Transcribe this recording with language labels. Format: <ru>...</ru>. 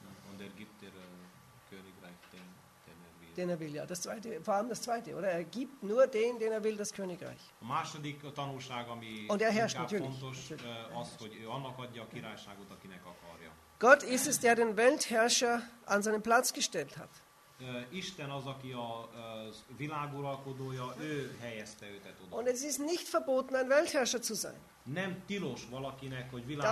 <de>Und gibt der Königreich den er will. Den er will, ja. Das zweite, vor allem das zweite, oder? Gibt nur den er will, das Königreich.</de> <hu>A második tanulság, ami</hu> <de>und herrscht,</de> <hu>inkább fontos, az, hogy ő annak adja a királyságot, akinek akarja.</hu> <de>Gott ist es, der den Weltherrscher an seinen Platz gestellt hat.</de> <hu>Isten az, aki az világuralkodója, ő helyezte őtet oda.</hu> <de>Und es ist nicht verboten, ein Weltherrscher zu sein.</de> <hu>Nem tilos valakinek, hogy</hu>